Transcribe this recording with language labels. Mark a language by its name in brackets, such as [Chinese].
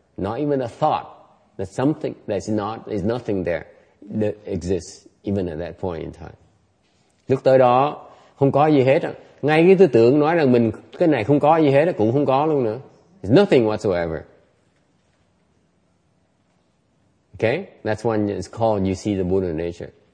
[English] Not even a thought that something that's not is nothing there that exists even at that point in time. [Vietnamese] Lúc tới đó không có gì hết á. Ngay cái tư tưởng nói rằng mình cái này không có gì hết cũng không có luôn nữa. [English] It's nothing whatsoever. Okay? That's when it's called you see the Buddha nature.